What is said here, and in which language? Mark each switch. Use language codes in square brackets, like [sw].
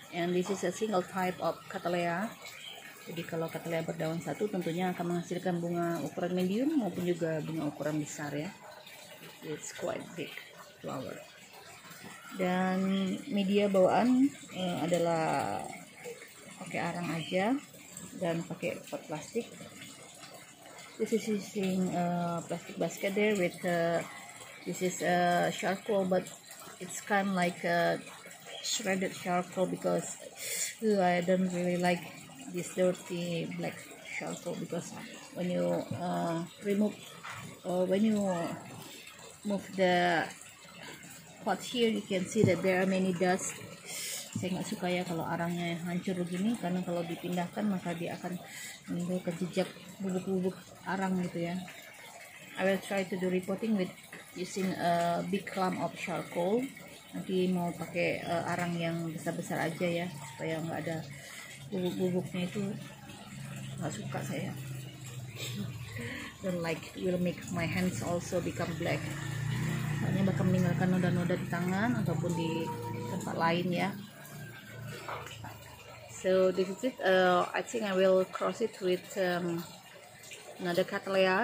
[en] And this is a single type of Cattleya. [id] Jadi kalau Cattleya berdaun satu, tentunya akan menghasilkan bunga ukuran medium maupun juga bunga ukuran besar ya. [en] It's quite big flower. [id] Dan media bawaan adalah pakai arang aja dan pakai pot plastik. [en] This is using a plastic basket there with this is a charcoal, but it's kind of like a shredded charcoal, because I don't really like this dirty black charcoal, because when you remove or when you move the pot here, you can see that there are many dust. [id] Saya nggak suka ya kalau arangnya hancur begini, karena kalau dipindahkan maka dia akan menimbulkan jejak bubuk-bubuk arang gitu ya. [en] I will try to do repotting with using a big clump of charcoal. [id] Nanti mau pakai arang yang besar-besar aja ya, supaya nggak ada bubuk-bubuknya itu. Nggak suka saya. [en] Don't like, will make my hands also become black. [id] Soalnya bakal meninggalkan noda-noda di tangan ataupun di tempat lain ya. [en] So this is it. I think I will cross it with another Cattleya.